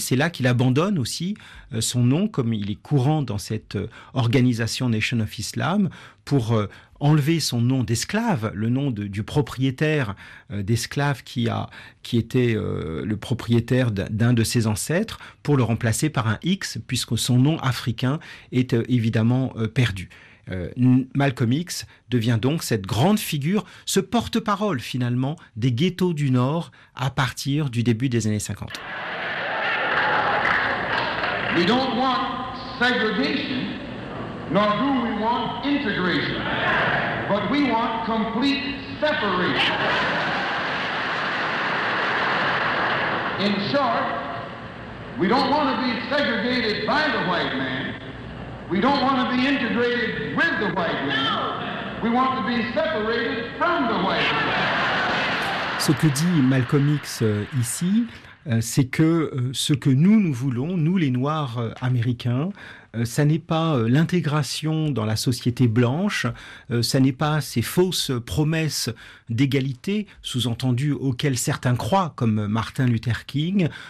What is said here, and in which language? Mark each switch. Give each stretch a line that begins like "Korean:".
French: C'est là qu'il abandonne aussi son nom, comme il est courant dans cette organisation Nation of Islam, pour enlever son nom d'esclave, le nom du propriétaire d'esclave qui était le propriétaire d'un de ses ancêtres, pour le remplacer par un X, puisque son nom africain est évidemment perdu. Malcolm X devient donc cette grande figure, ce porte-parole finalement des ghettos du Nord à partir du début des années 50.
English: We don't want segregation, nor do we want integration, but we want complete separation. In short, we don't want to be segregated by the white man. We don't want to be integrated with the white man. No. We want to be separated from the white man.
French: Ce que dit Malcolm X ici, c'est que ce que nous voulons, nous les Noirs américains, ça n'est pas l'intégration dans la société blanche, ça n'est pas ces fausses promesses d'égalité, sous-entendu auxquelles certains croient, comme Martin Luther King.